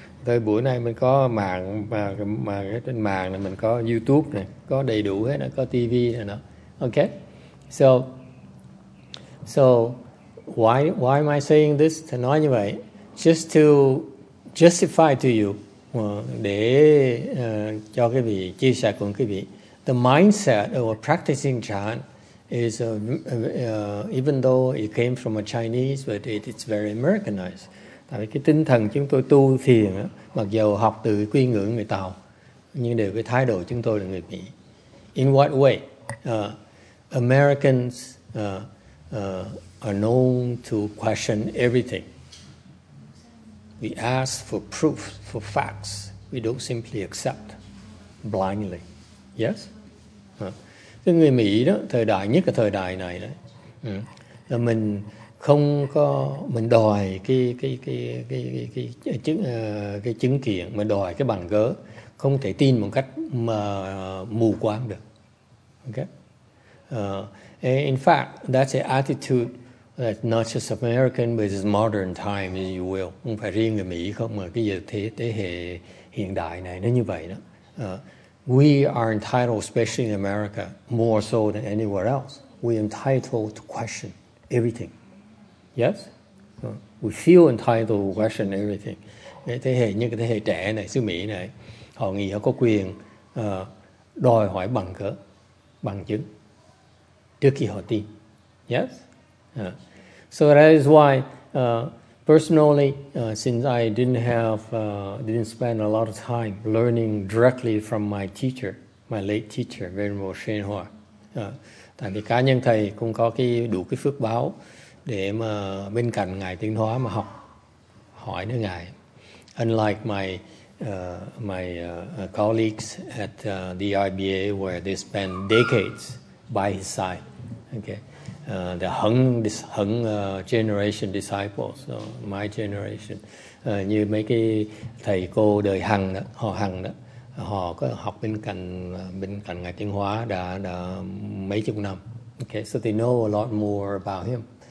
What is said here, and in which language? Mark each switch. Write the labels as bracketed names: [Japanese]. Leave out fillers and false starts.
[Vietnamese] Thời buổi này mình có mạng mà trên mạng là mình có YouTube này, có đầy đủ hết, nó có TV này nó. [English] Okay. So why am I saying this? [Vietnamese] Thầy nói như vậy [English] just to justify to you, [Vietnamese] để cho quý vị chia sẻ cùng quý vị. [English] The mindset of a practicing chan is even though it came from a Chinese, but it's very Americanized. [Vietnamese] Tại vì cái tinh thần chúng tôi tu thiền á, mặc dù học từ quy ngữ người Tàu, nhưng đều cái thái độ chúng tôi là người Mỹ. [English] In what way? Americans are known to question everything. We ask for proof, for facts. We don't simply accept blindly. Yes? [Vietnamese] Cái người Mỹ đó, thời đại nhất là thời đại này đấy. Là mình không có, mình đòi cái chứng kiến, mình đòi cái bằng cớ, không thể tin một cách mà mù quáng được. [English] Okay? In fact, that's an attitude that not just American, but it's modern time, if you will. [Vietnamese] Không phải riêng người Mỹ không, mà cái thế hệ hiện đại này nó như vậy đó. [English] We are entitled, especially in America, more so than anywhere else. We are entitled to question everything. Yes? We feel entitled to question everything. [Vietnamese] Thế hệ như cái thế hệ trẻ này, xứ Mỹ này, họ nghĩ họ có quyền đòi hỏi bằng cớ, bằng chứng, trước khi họ tin. [English] Yes? So that is why, personally, since I didn't spend a lot of time learning directly from my teacher, my late teacher, Venerable Shen Hua. [Vietnamese] Tại vì cá nhân thầy cũng có cái đủ cái phước báo để mà bên cạnh ngài Tiến Hóa mà học hỏi nữa ngài. [English] Unlike my colleagues at the IBA, where they spend decades by his side, okay. The Hung generation disciples, so my generation, [Vietnamese] như mấy cái thầy cô đời Hằng đó, họ Hằng đó, họ có học bên cạnh ngài Tiến Hóa đã mấy chục năm. [English] Okay, so they know a lot more about him.